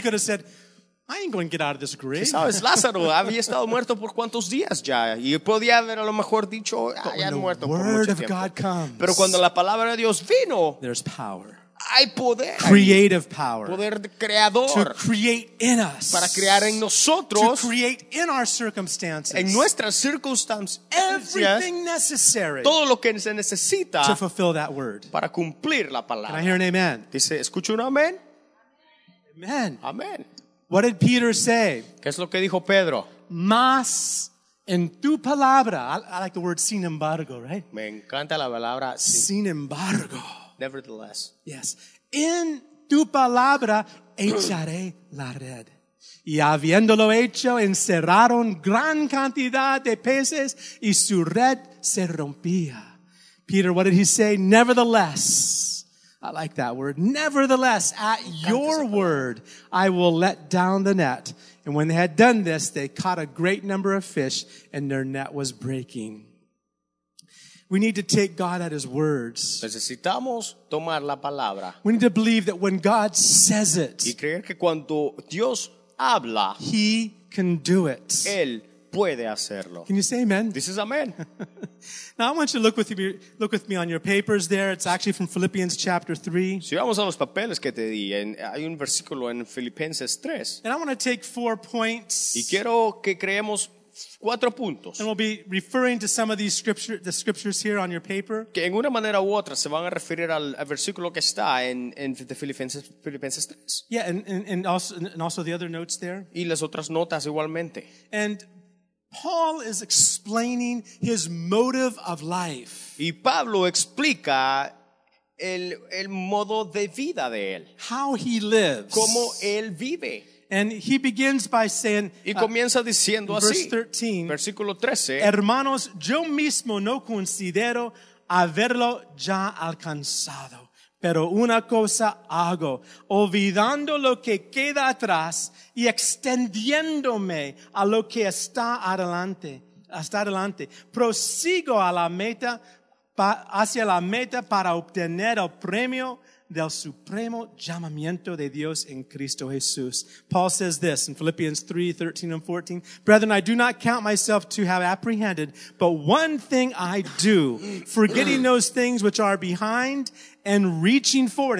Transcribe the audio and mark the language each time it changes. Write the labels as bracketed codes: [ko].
[en] He could have said, I ain't going to get out of this grave. [es] ¿Sabes? Lázaro había estado muerto por cuántos días ya. Y podía haber a lo mejor dicho, ah, ya he muerto por mucho tiempo. [en] God comes, [es] pero cuando la palabra de Dios vino, [en] there's power. [es] Hay poder. [en] Creative power. [es] Poder creador. [en] To create in us. [es] Para crear en nosotros. [en] To create in our circumstances. [es] En nuestras circunstancias. [en] Everything necessary. [es] Todo lo que se necesita. [en] To fulfill that word. [es] Para cumplir la palabra. [en] Can I hear an amen? [es] Dice, ¿escucho un amén? [en] Amen. [es] Amen. [en] What did Peter say? [es] ¿Qué es lo que dijo Pedro? Más en tu palabra. [en] I like the word [es] sin embargo, [en] right? [es] Me encanta la palabra sin embargo. [en] Nevertheless. Yes. [es] En tu palabra echaré la red. Y habiéndolo hecho, encerraron gran cantidad de peces y su red se rompía. [en] Peter, what did he say? Nevertheless. I like that word. Nevertheless, at your word, I will let down the net. And when they had done this, they caught a great number of fish, and their net was breaking. We need to take God at his words. [es] Necesitamos tomar la palabra. [en] We need to believe that when God says it, [es] y creer que cuando Dios habla, [en] he can do it. [es] Él puede hacerlo. [en] Can you say amen? This is amen. Now I want you to look with me on your papers there. It's actually from Philippians chapter 3. [es] Si vamos a los papeles que te di, hay un versículo en Filipenses 3. [en] And I want to take 4 points. [es] Y quiero que creemos 4 puntos. [en] And we'll be referring to some of these scriptures here on your paper. [es] Que en una manera u otra se van a referir al versículo que está en de Filipenses 3. [en] Yeah, and also the other notes there. [es] Y las otras notas igualmente. [en] And Paul is explaining his motive of life. [es] Y Pablo explica el modo de vida de él. [en] How he lives. [es] Cómo él vive. [en] And he begins by saying, [es] y comienza diciendo [en] verse [es] así, [en] 13, [es] versículo 13, hermanos, yo mismo no considero haberlo ya alcanzado, pero una cosa hago, olvidando lo que queda atrás y extendiéndome a lo que está adelante, prosigo a la meta, hacia la meta para obtener el premio del supremo llamamiento de Dios en Cristo Jesús. [en] Paul says this in Philippians 3, 13 and 14. Brethren, I do not count myself to have apprehended, but one thing I do, forgetting those things which are behind and reaching forward.